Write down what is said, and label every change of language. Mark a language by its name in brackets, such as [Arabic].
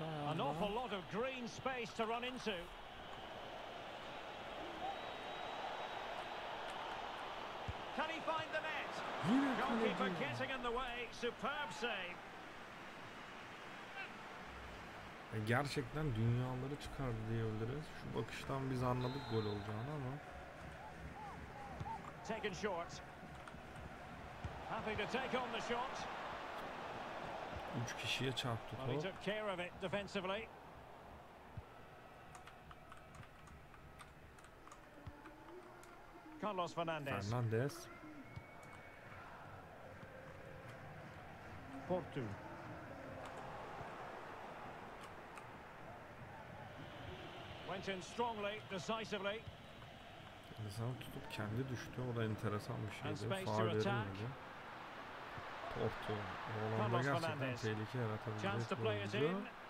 [English] An awful lot of green space to run into. Can he find the net? Goalkeeper getting in the way. Superb save. [Turkish] Gerçekten dünyaları çıkardı diyebiliriz. Şu bakıştan biz anladık gol olacağını ama. [English] Taken short. Happy to take on the shot. [Turkish] 3 kişiye çarptı top. [English] Well, he took care of it defensively. Carlos Fernandez. Fernandez. Porto. Went in strongly, decisively. [Turkish] Elisabeth tutup kendi düştü. O da enteresan bir şeydi. Far verilmedi. Porto. O alanda gerçekten tehlike yaratabilecek bir oyuncu.